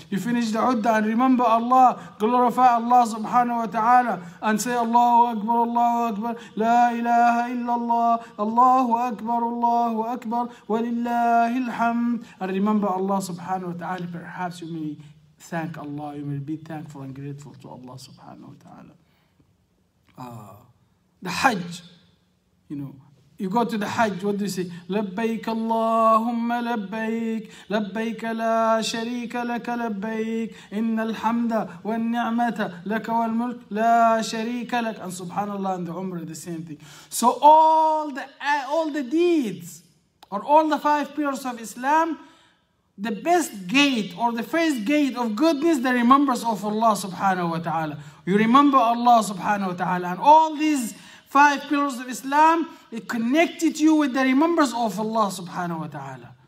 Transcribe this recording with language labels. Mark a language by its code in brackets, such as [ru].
[en] You finish the udda and remember Allah, glorify Allah subhanahu wa ta'ala, and say, [ar] Allahu Akbar, Allahu Akbar, La ilaha illallah, Allahu Akbar, Allahu Akbar, وَلِلَّهِ الْحَمْدِ. [en] And remember Allah subhanahu wa ta'ala, perhaps you may thank Allah, you may be thankful and grateful to Allah subhanahu wa ta'ala. The Hajj, you know, you go to the Hajj, what do you say? [ar] لبيك اللهم لبيك لبيك لا شريك لك لبيك إن الحمد والنعمة لك والملك لا شريك لك. [en] And subhanAllah and the Umrah, the same thing. So all the deeds or all the 5 pillars of Islam, the best gate or the first gate of goodness, the remembrance of Allah subhanahu wa ta'ala. You remember Allah subhanahu wa ta'ala, and all these 5 pillars of Islam, it connected you with the remembrance of Allah subhanahu wa ta'ala.